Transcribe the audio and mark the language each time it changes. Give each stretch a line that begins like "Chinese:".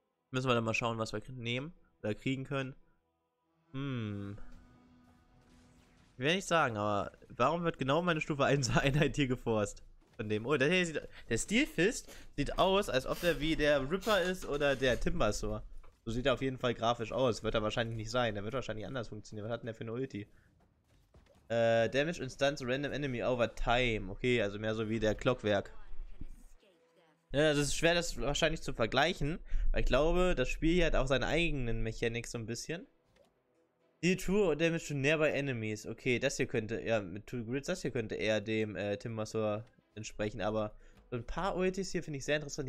German: Müssen wir dann mal schauen, was wir nehmen oder kriegen können. Ich will nicht sagen, aber warum wird genau meine Stufe 1 Einheit hier geforst? Von dem. Oh, der hier sieht. Der Steelfist sieht aus, als ob der wie der Ripper ist oder der Timbersaw. So sieht er auf jeden Fall grafisch aus. Wird er wahrscheinlich nicht sein. Der wird wahrscheinlich anders funktionieren. Was hat denn der für eine Ulti?
English: Damage and Stun to random enemy over time.
German: Okay, also mehr so wie der Clockwerk. Ja, das ist schwer, das wahrscheinlich zu vergleichen, weil ich glaube, das Spiel hier hat auch seine eigenen Mechanik so ein bisschen.
English: Deal True und Damage to nearby enemies.
German: Okay, das hier könnte eher mit Two Grids, das hier könnte eher dem Timbersaw entsprechen, aber so ein paar Ultis hier finde ich sehr interessant.